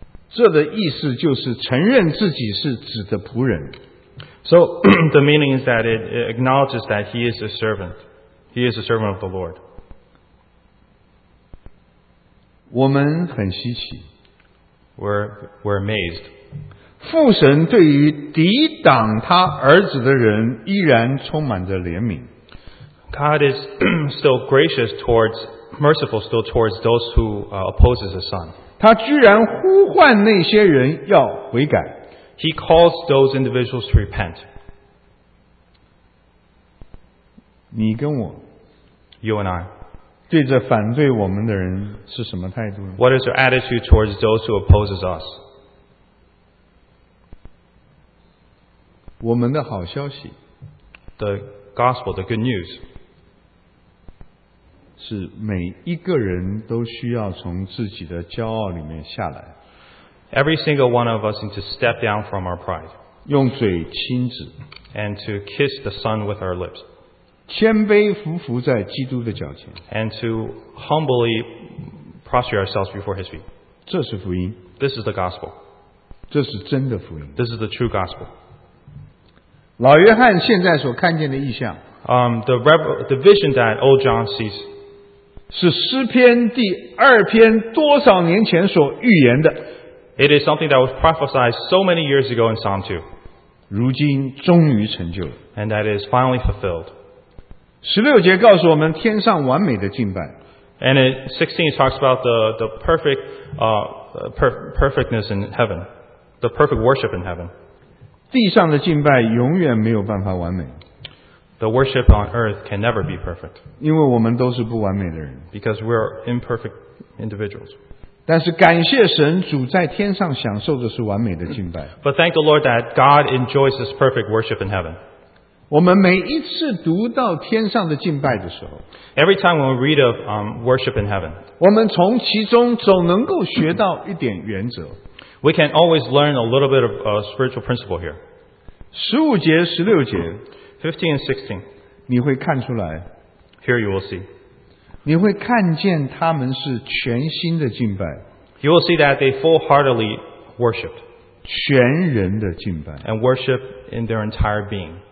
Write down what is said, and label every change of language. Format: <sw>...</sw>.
<zh>这的意思就是承认自己是子的仆人。</zh> <en>So the meaning is that it acknowledges that he is a servant. He is a servant of the Lord.</en> <zh>我们很稀奇。</zh> <en>We're amazed.</en> <zh>父神对于抵挡他儿子的人依然充满着怜悯。</zh> <en>God is still gracious towards, merciful still towards those who opposes his son.</en> <zh>他居然呼唤那些人要悔改。</zh> <en>He calls those individuals to repent.</en> <zh>你跟我。</zh> <en>You and I.</en> <zh>对着反对我们的人是什么态度呢？</zh> <en>What is your attitude towards those who opposes us?</en> <zh>我们的好消息。</zh> <en>The gospel, the good news.</en> <zh>是每一个人都需要从自己的骄傲里面下来。</zh> <en>Every single one of us needs to step down from our pride.</en> <zh>用嘴亲子。</zh> <en>And to kiss the Son with our lips.</en> <zh>谦卑俯伏在基督的脚前。</zh> <en>And to humbly prostrate ourselves before His feet.</en> <zh>这是福音。</zh> <en>This is the gospel.</en> <zh>这是真的福音。</zh> <en>This is the true gospel.</en> <zh>老约翰现在所看见的意象。</zh> <en>The vision that old John sees.</en> <zh>是诗篇第二篇多少年前所预言的。</zh> <en>It is something that was prophesied so many years ago in Psalm 2.</en> <zh>如今终于成就了。</zh> <en>And that is finally fulfilled.</en> <zh>16节告诉我们天上完美的敬拜。</zh> <en>And it, 16 talks about the perfect, perfectness in heaven. The perfect worship in heaven.</en> <zh>地上的敬拜永远没有办法完美。</zh> <en>The worship on earth can never be perfect.</en> <zh>因为我们都是不完美的人。</zh> <en>Because we are imperfect individuals.</en> <zh>但是感谢神，主在天上享受的是完美的敬拜。</zh> <en>But thank the Lord that God enjoys His perfect worship in heaven.</en> <zh>我们每一次读到天上的敬拜的时候，</zh> <en>Every time when we read of worship in heaven,</en> <zh>我们从其中总能够学到一点原则。</zh> <en>We can always learn a little bit of a spiritual principle here.</en> <zh>15节16节</zh> <en>15 and 16.</en> <zh>你会看出来。</zh> <en>Here you will see.</en> <zh>你会看见他们是全心的敬拜。</zh> <en>You will see that they full-heartedly worshipped.</en> <zh>全人的敬拜。</zh> <en>And worship in their entire being.</en>